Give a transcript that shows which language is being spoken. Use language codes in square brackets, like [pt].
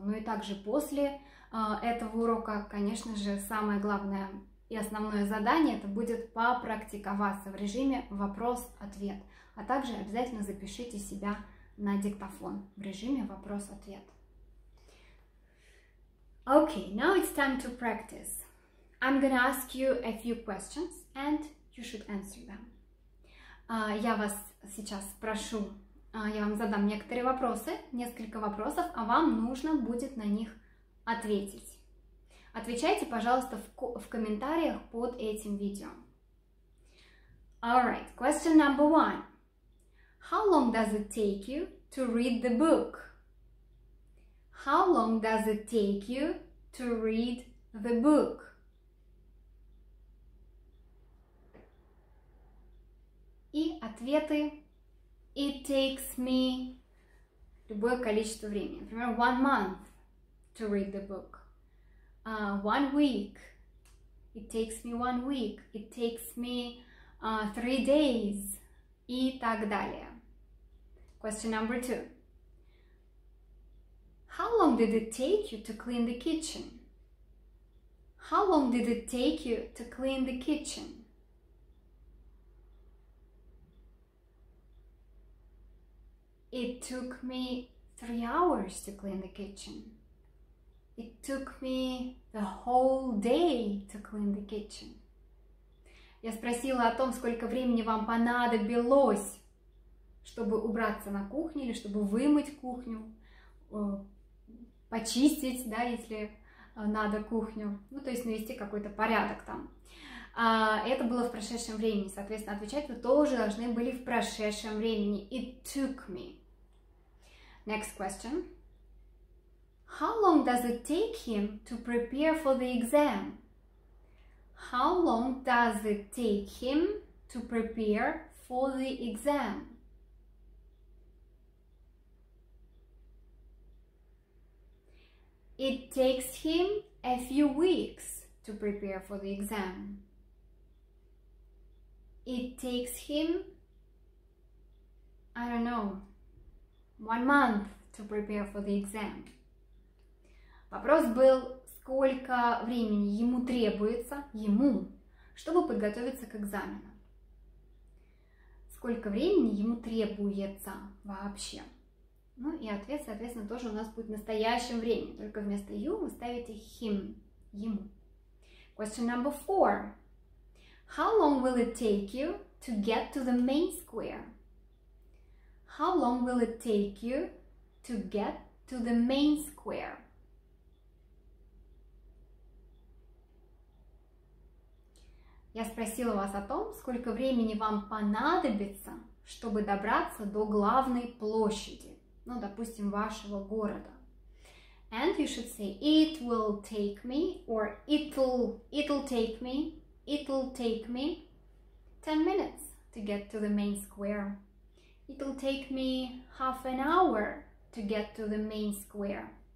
[ru] Ну и также после этого урока, конечно же, самое главное и основное задание, это будет попрактиковаться в режиме вопрос-ответ. А также обязательно запишите себя на диктофон в режиме вопрос-ответ. [en] Okay, now it's time to practice. I'm gonna ask you a few questions and you should answer them. [ru] Я вас сейчас прошу, я вам задам некоторые вопросы, несколько вопросов, а вам нужно будет на них ответить. Отвечайте, пожалуйста, в комментариях под этим видео. [en] All right, question number one. How long does it take you to read the book? How long does it take you to read the book? [ru] И ответы. [en] It takes me [ru] любое количество времени. Например, [en] 1 month to read the book. 1 week, it takes me 1 week, it takes me 3 days, [ru] и так далее. [en] Question number 2. How long did it take you to clean the kitchen? How long did it take you to clean the kitchen? It took me 3 hours to clean the kitchen. It took me the whole day to clean the kitchen. [ru] Я спросила о том, сколько времени вам понадобилось, чтобы убраться на кухне или чтобы вымыть кухню, почистить, да, если надо кухню, ну, то есть навести какой-то порядок там. Это было в прошедшем времени, соответственно, отвечать вы тоже должны были в прошедшем времени. [en] It took me. Next question. How long does it take him to prepare for the exam? How long does it take him to prepare for the exam? It takes him a few weeks to prepare for the exam. It takes him, I don't know, 1 month to prepare for the exam. [ru] Вопрос был, сколько времени ему требуется, ему, чтобы подготовиться к экзамену. Сколько времени ему требуется вообще? Ну и ответ, соответственно, тоже у нас будет в настоящем времени. Только вместо you вы ставите him, ему. [en] Question number four. How long will it take you to get to the main square? How long will it take you to get to the main square? [ru] Я спросила вас о том, сколько времени вам понадобится, чтобы добраться до главной площади, ну, допустим, вашего города. [en] And you should say it will take me or it'll take me 10 minutes to get to the main square. It'll take me half an hour to get to the main square.